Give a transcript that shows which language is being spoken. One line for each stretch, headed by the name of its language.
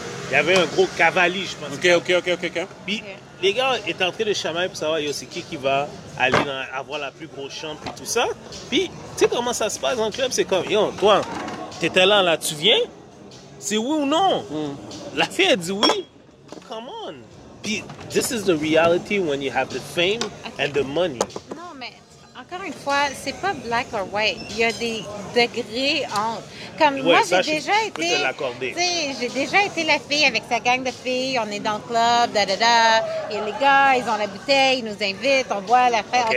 French: Il y avait un gros cavalier, je pense. Ok. Puis les gars étaient en train de chamailler pour savoir, yo, c'est qui va. Aller avoir la plus grosse chambre et tout ça. Puis, tu sais comment ça se passe en club? C'est comme, yo, toi, t'étais là, tu viens? C'est oui ou non? Mm. La fille, elle dit oui.
English: Come on.
French: Puis,
English: this is the reality when you have the fame and the money.
French: Non, mais encore une fois, c'est pas
English: black or white.
French: Il y a des degrés entre. Comme ouais, moi, ça, j'ai déjà été. J'ai déjà été la fille avec sa gang de filles. On est dans le club, da da da. Et les gars, ils ont la bouteille, ils nous invitent, on boit la fête.